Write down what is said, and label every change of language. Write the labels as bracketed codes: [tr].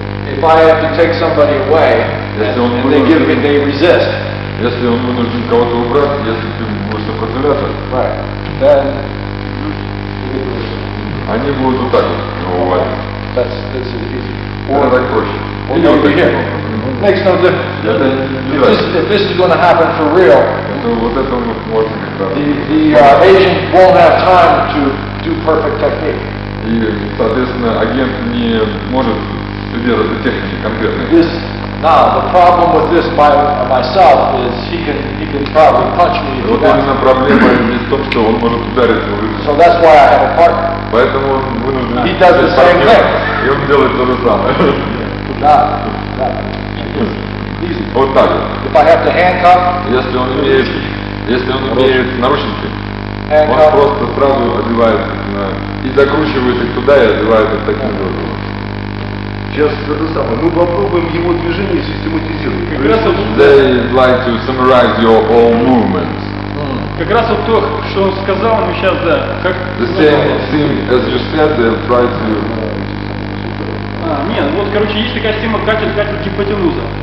[en] If I have to take somebody away, and they give me, they resist. [ru] Если он вынужден кого-то убрать, если ты будешь сопротивляться, [en] right. [ru] они будут вот так вот убивать. Это так проще. Или вот так вот. Это не [en] if this is going to happen for real, [ru] вот это вот можно как раз. [en] The agent won't have time to do perfect technique. [ru] И, соответственно, агент не может студировать технику конкретно. [en] Now, the problem with this by myself is he can probably punch me. [ru] Вот именно проблема не в том, что он может ударить его. [en] So that's why I have a partner. [ru] Поэтому он вынужден. [en] He does the same thing. [ru] И он делает то же самое. Да. Вот так. [en] If I have to handcuff. [ru] Если он имеет наручники. Он просто сразу одевает и закручивает их туда и одевает их таким же образом. Сейчас это самое. Мы попробуем его движение систематизировать. [en] They like to summarize your whole movements. [ru] Как раз вот то, что он сказал, мы сейчас, да. Как... [en] The same thing as you said, they'll try to... [ru] Нет, вот, короче, есть такая система катет-катет гипотенуза.